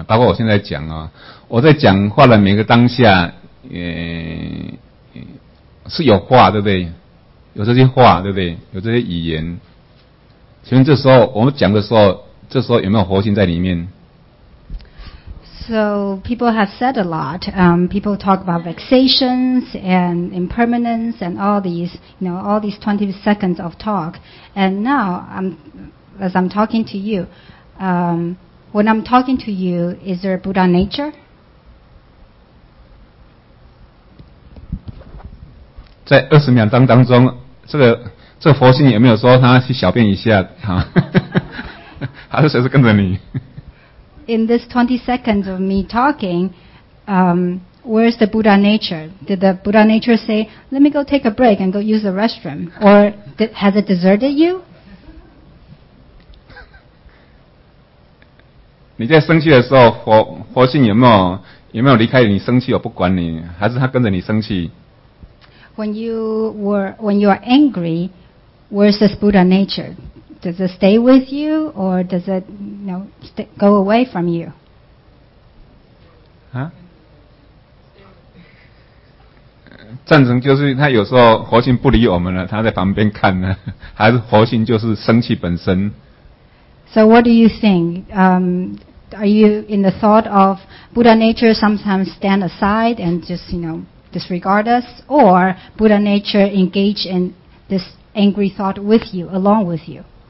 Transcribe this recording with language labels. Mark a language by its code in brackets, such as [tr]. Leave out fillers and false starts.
[zh] 包括我现在讲啊，我在讲话的每个当下，是有话，对不对？有这些话，对不对？有这些语言。请问这时候我们讲的时候，这时候有没有佛性在里面？ [en] So people have said a lot. People talk about vexations and impermanence and all these, you know, all these 20 seconds of talk. And now, as I'm talking to you, when I'm talking to you, is there a Buddha nature? [zh] 在20秒当中，这佛性有没有说他去小便一下哈，还是随时跟着你？ [en] In this 20 seconds of me talking, where's the Buddha nature? Did the Buddha nature say, let me go take a break and go use the restroom? Or has it deserted you? [zh] 你在生气的时候， 佛性有没有离开你生气，我不管你，还是他跟着你生气？ [en] When you are angry,where's this Buddha nature? Does it stay with you, or does it, you know, go away from you? Huh? [zh] 赞成就是他有时候佛性不理我们了，他在旁边看呢，还是佛性就是生气本身？ [en] So what do you think? Are you in the thought of Buddha nature sometimes stand aside and just, you know, disregard us, or Buddha nature engage in this angry thought with you, along with you?